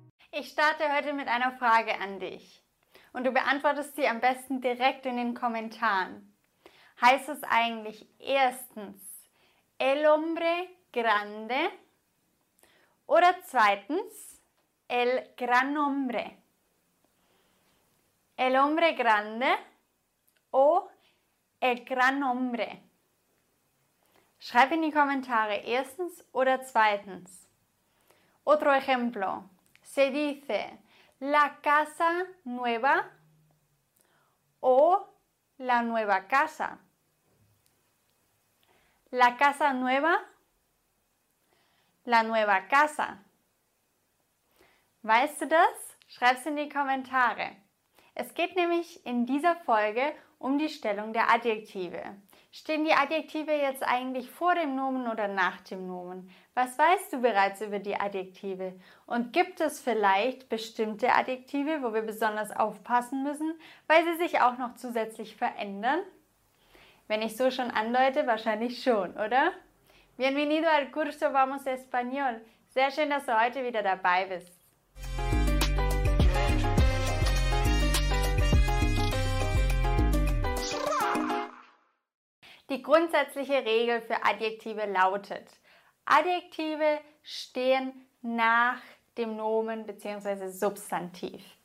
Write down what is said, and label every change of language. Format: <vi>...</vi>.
<de>Ich starte heute mit einer Frage an dich. Und du beantwortest sie am besten direkt in den Kommentaren. Heißt es eigentlich erstens</de> <es>el hombre grande</es> <de>oder zweitens</de> <es>el gran hombre? El hombre grande o el gran hombre?</es> <de>Schreib in die Kommentare erstens oder zweitens.</de> <es>Otro ejemplo. Se dice la casa nueva o la nueva casa. La casa nueva, la nueva casa.</es> <de>Weißt du das? Schreib's in die Kommentare. Es geht nämlich in dieser Folge um die Stellung der Adjektive. Stehen die Adjektive jetzt eigentlich vor dem Nomen oder nach dem Nomen? Was weißt du bereits über die Adjektive? Und gibt es vielleicht bestimmte Adjektive, wo wir besonders aufpassen müssen, weil sie sich auch noch zusätzlich verändern? Wenn ich so schon andeute, wahrscheinlich schon, oder?</de> <es>Bienvenido al curso Vamos Español.</es> <de>Sehr schön, dass du heute wieder dabei bist. Die grundsätzliche Regel für Adjektive lautet: Adjektive stehen nach dem Nomen bzw. Substantiv.</de>